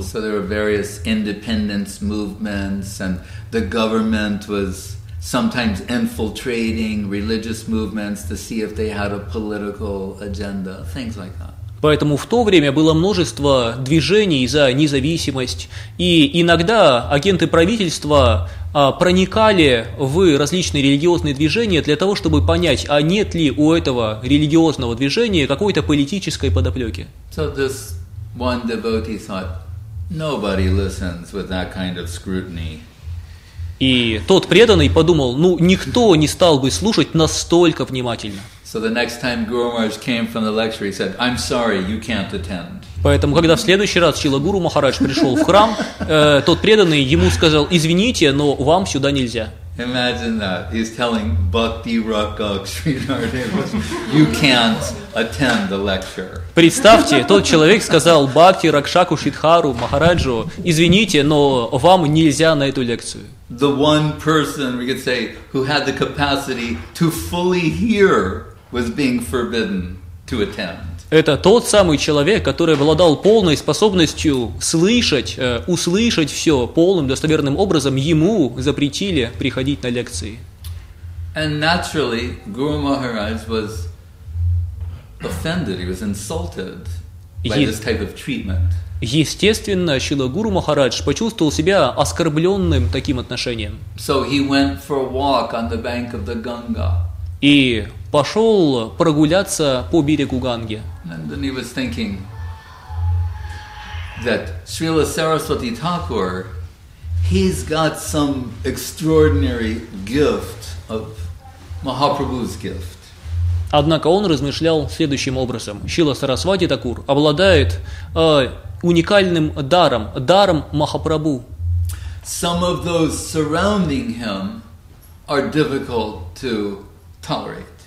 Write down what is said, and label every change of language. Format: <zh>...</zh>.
<en>So there were various independence movements, and the government was sometimes infiltrating religious movements to see if they had a political agenda, things like that.</en> <ru>Поэтому в то время было множество движений за независимость, и иногда агенты правительства проникали в различные религиозные движения для того, чтобы понять, а нет ли у этого религиозного движения какой-то политической подоплеки.</ru> <en>So this one devotee thought, nobody listens with that kind of scrutiny.</en> <ru>И тот преданный подумал, ну никто не стал бы слушать настолько внимательно.</ru> <en>So the next time Guru Maharaj came from the lecture, he said, "I'm sorry, you can't attend."</en> <ru>Поэтому, когда в следующий раз Шрила Гуру Махарадж пришел в храм, тот преданный ему сказал: "Извините, но вам сюда нельзя."</ru> <en>Imagine that he's telling Bhakti Rakak Sridhar Devas, "You can't attend the lecture."</en> <ru>Представьте, тот человек сказал Бхакти Ракшаку Шридхару Махараджу: "Извините, но вам нельзя на эту лекцию."</ru> <en>The one person we could say who had the capacity to fully hear was being forbidden to attend.</en> <ru>Это тот самый человек, который обладал полной способностью услышать все полным достоверным образом, ему запретили приходить на лекции.</ru> <en>And naturally, Guru Maharaj was offended. He was insulted by this type of treatment.</en> <ru>Естественно, Шрила Гуру Махарадж почувствовал себя оскорбленным таким отношением.</ru> <en>So he went for a walk on the bank of the Ganga.</en> <ru>И пошел прогуляться по берегу Ганги.</ru> <en>And then he was thinking that Srila Saraswati Thakur, he's got some extraordinary gift of Mahaprabhu's gift.</en> <ru>Однако он размышлял следующим образом. Шрила Сарасвати Такур обладает уникальным даром, даром Махапрабху.</ru> <en>Some of those surrounding him are difficult to tolerate.</en>